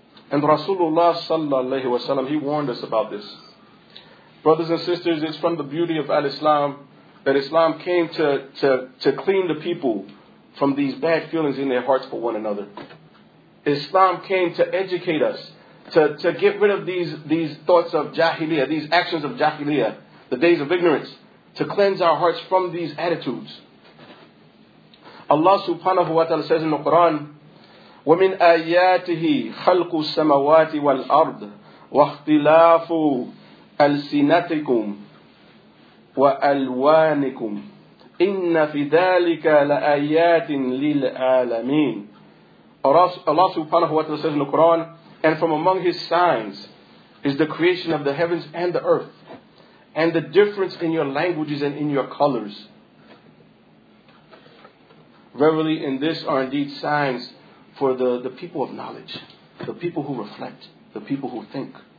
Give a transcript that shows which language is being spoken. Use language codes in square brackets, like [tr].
[en] And Rasulullah sallallahu alayhi wa sallam, he warned us about this. Brothers and sisters, it's from the beauty of Al-Islam that Islam came to clean the people from these bad feelings in their hearts for one another. Islam came to educate us, to get rid of these thoughts of jahiliyyah, these actions of jahiliyyah, the days of ignorance, to cleanse our hearts from these attitudes. Allah subhanahu wa ta'ala says in the Quran, [ar] وَمِنْ آيَاتِهِ خَلْقُ السَّمَوَاتِ وَالْأَرْضِ وَاخْتِلَافُ أَلْسِنَتِكُمْ وَأَلْوَانِكُمْ إِنَّ فِي ذَلِكَ لَآيَاتٍ لِلْعَالَمِينَ. [en] Allah subhanahu wa ta'ala says in the Quran, and from among His signs is the creation of the heavens and the earth, and the difference in your languages and in your colors. Verily, in this are indeed signs for the people of knowledge, the people who reflect, the people who think.